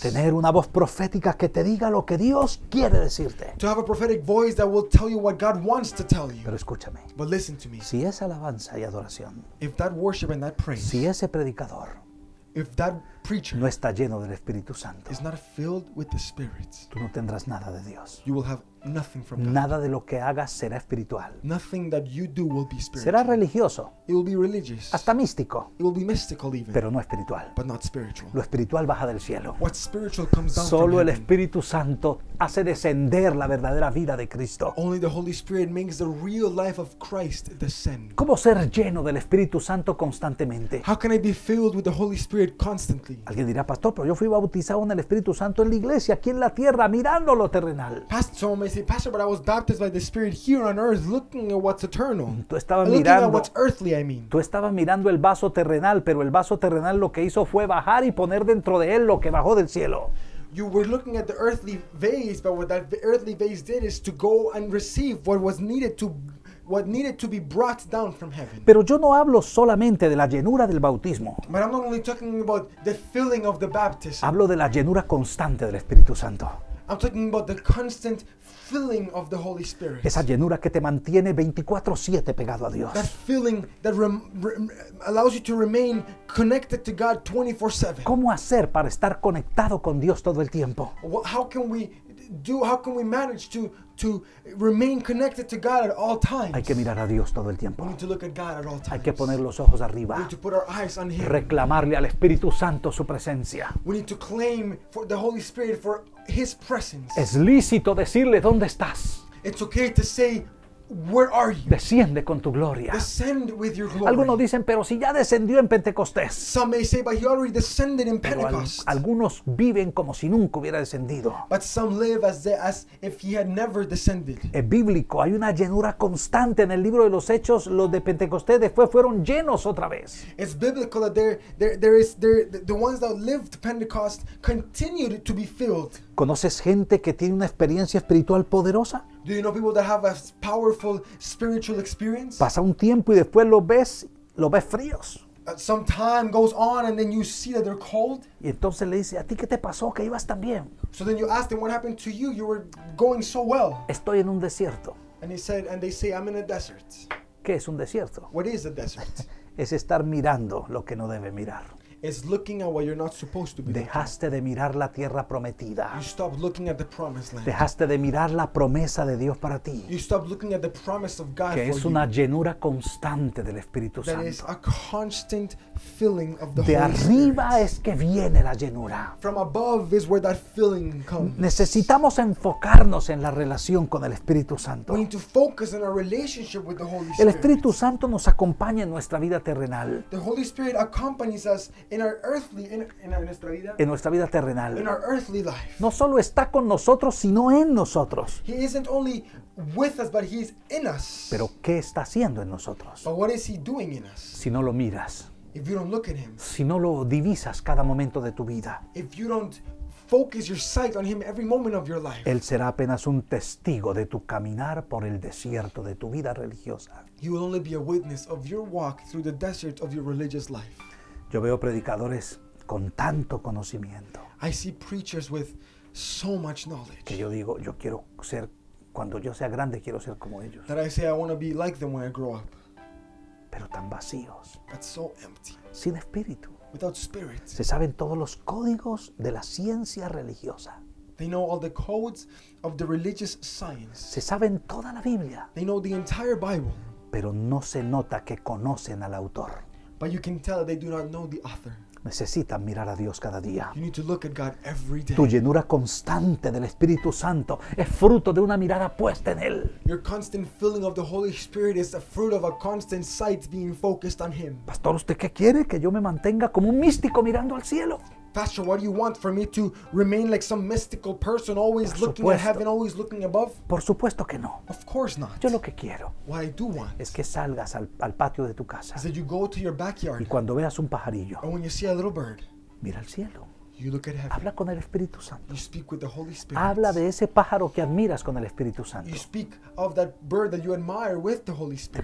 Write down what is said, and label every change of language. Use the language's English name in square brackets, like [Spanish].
[Spanish] Tener una voz profética que te diga lo que Dios quiere decirte. [English] To have a prophetic voice that will tell you what God wants to tell you. [Spanish] Pero escúchame. [English] But listen to me. [Spanish] Si es alabanza y adoración. [English] If that worship and that praise. [Spanish] Si ese predicador. [English] If that preacher. [Spanish] No está lleno del Espíritu Santo. [English] Is not filled with the Spirit. [Spanish] Tú no tendrás nada de Dios. [English] You will have nothing from God. [Spanish] Nada de lo que hagas será espiritual. [English] Nothing that you do will be spiritual. [Spanish] Será religioso. [English] It will be religious. [Spanish] Hasta místico. [English] It will be mystical even. [Spanish] Pero no espiritual. [English] But not spiritual. [Spanish] Lo espiritual baja del cielo. [English] What spiritual comes down [Spanish] solo [English] from [Spanish] el Espíritu Santo hace descender la verdadera vida de Cristo. [English] Only the Holy Spirit makes the real life of Christ descend. [Spanish] ¿Cómo ser lleno del Espíritu Santo constantemente? [English] How can I be filled with the Holy Spirit constantly? [Spanish] Alguien dirá, pastor, pero yo fui bautizado en el Espíritu Santo en la iglesia, aquí en la tierra, mirando lo terrenal. [English] Pastor, I say, pastor, but I was baptized by the Spirit here on earth, looking at what's eternal. [Spanish] Tú estabas [English] looking [Spanish] mirando, [English] at what's earthly, I mean. [Spanish] Tú estabas mirando el vaso terrenal, pero el vaso terrenal lo que hizo fue bajar y poner dentro de él lo que bajó del cielo. [English] You were looking at the earthly vase, but what that earthly vase did is to go and receive what needed to be brought down from heaven. [Spanish] Pero yo no hablo solamente de la llenura del bautismo. [English] But I'm not only talking about the filling of the baptism. [Spanish] Hablo de la llenura constante del Espíritu Santo. [English] I'm talking about the constant filling of the Holy Spirit. [Spanish] Esa llenura que te mantiene 24/7 pegado a Dios. [English] That filling that allows you to remain connected to God 24/7. [Spanish] ¿Cómo hacer para estar conectado con Dios todo el tiempo? [English] How can we manage to to remain connected to God at all times. [Spanish] Hay que mirar a Dios todo el tiempo. [English] We need to look at God at all times. [Spanish] Hay que poner los ojos arriba. [English] We need to put our eyes on Him. [Spanish] Reclamarle al Espíritu Santo su presencia. [English] We need to claim for the Holy Spirit for His presence. [Spanish] Es lícito decirle dónde estás. [English] It's okay to say, where are you? [Spanish] Desciende con tu gloria. [English] Descend with your glory. [Spanish] Algunos dicen, pero si ya descendió en Pentecostés. [English] Some may say, but he already descended in Pentecost. [Spanish] Algunos viven como si nunca hubiera descendido. [English] But some live as if he had never descended. [Spanish] Es bíblico, hay una llenura constante en el libro de los Hechos. Los de Pentecostés después fueron llenos otra vez. [English] It's biblical that the ones that lived Pentecost continued to be filled. [Spanish] ¿Conoces gente que tiene una experiencia espiritual poderosa? [English] Do you know people that have a powerful spiritual experience? [Spanish] Pasa un tiempo y después los ves fríos. [English] Some time goes on and then you see that they're cold. [Spanish] Y entonces le dice, ¿a ti qué te pasó? Que ibas tan bien. [English] So then you ask them, what happened to you? You were going so well. [Spanish] Estoy en un desierto. [English] And they say, I'm in a desert. [Spanish] ¿Qué es un desierto? [English] What is a desert? [Spanish] Es estar mirando lo que no debe mirar. [English] Is looking at what you're not supposed to be. [Spanish] Dejaste [English] looking. [Spanish] De mirar la tierra prometida. [English] You stopped looking at the promised land. [Spanish] Dejaste de mirar la promesa de Dios para ti. [English] You stopped looking at the promise of God for you. [Spanish] Que es una llenura constante del Espíritu Santo. [English] That is a constant filling of the [Spanish] de [English] Holy [Spanish] arriba [English] Spirit. [Spanish] Es que viene la llenura. [English] From above is where that filling comes. [Spanish] Necesitamos enfocarnos en la relación con el Espíritu Santo. [English] We need to focus on our relationship with the Holy Spirit. [Spanish] El Espíritu Santo nos acompaña en nuestra vida terrenal. [English] The Holy Spirit accompanies us in our earthly, [Spanish] nuestra vida, en nuestra vida terrenal. [English] In our earthly life. [Spanish] No solo está con nosotros, sino en nosotros. [English] He isn't only with us, but he's in us. [Spanish] Pero ¿qué está haciendo en nosotros? [English] But what is he doing in us? [Spanish] Si no lo miras. [English] If you don't look at him. [Spanish] Si no lo divisas cada momento de tu vida. [English] If you don't focus your sight on him every moment of your life. [Spanish] Él será apenas un testigo de tu caminar por el desierto de tu vida religiosa. [English] He will only be a witness of your walk through the desert of your religious life. [Spanish] Yo veo predicadores con tanto conocimiento. [English] I see preachers with so much knowledge. [Spanish] Que yo digo, yo quiero ser, cuando yo sea grande, quiero ser como ellos. [English] That I say I want to be like them when I grow up. [Spanish] Pero tan vacíos. [English] But so empty. [Spanish] Sin espíritu. [English] Without spirit. [Spanish] Se saben todos los códigos de la ciencia religiosa. [English] They know all the codes of the religious science. [Spanish] Se saben toda la Biblia. [English] They know the entire Bible. [Spanish] Pero no se nota que conocen al autor. [English] But you can tell that they do not know the author. [Spanish] Necesitas mirar a Dios cada día. [English] You need to look at God every day. [Spanish] Tu llenura constante del Espíritu Santo es fruto de una mirada puesta en Él. [English] Your constant filling of the Holy Spirit is the fruit of a constant sight being focused on Him. [Spanish] Pastor, ¿usted qué quiere? Que yo me mantenga como un místico mirando al cielo. [English] Pastor, what do you want for me to remain like some mystical person always looking at heaven, always looking above? [Spanish] Por supuesto que no. [English] Of course not. [Spanish] Yo lo que quiero. [English] What I do want. [Spanish] Es que salgas al patio de tu casa. [English] Is that you go to your backyard. [Spanish] Y cuando veas un pajarillo. [English] And when you see a little bird. [Spanish] Mira al cielo. [English] You look at heaven. [Spanish] Habla con el Espíritu Santo. [English] You speak with the Holy Spirit. [Spanish] Habla de ese pájaro que admiras con el Espíritu Santo. [English] You speak of that bird that you admire with the Holy Spirit.